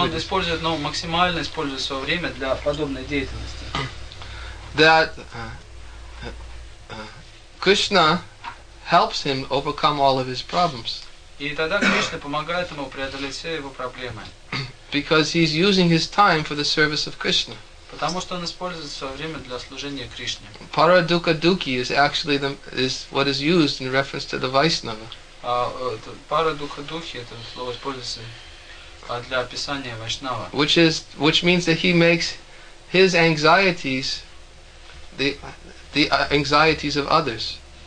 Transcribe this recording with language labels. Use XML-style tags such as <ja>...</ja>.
<ru>То он использует, ну, максимально использует свое время для подобной деятельности.</ru> <en>That Krishna helps him overcome all of his problems.</en> <ru>И тогда Кришна помогает ему преодолеть все его проблемы.</ru> <en>Because he's using his time for the service of Krishna.</en> <ru>Потому что он использует свое время для служения Кришне.</ru> <en>Paradukaduki is actually the is what is used in reference to the Vaishnava.</en> <ru>Парадукадухи — это слово используется для описания Вайшнава.</ru> <en>Which means that he makes his anxieties the anxieties of others.</en>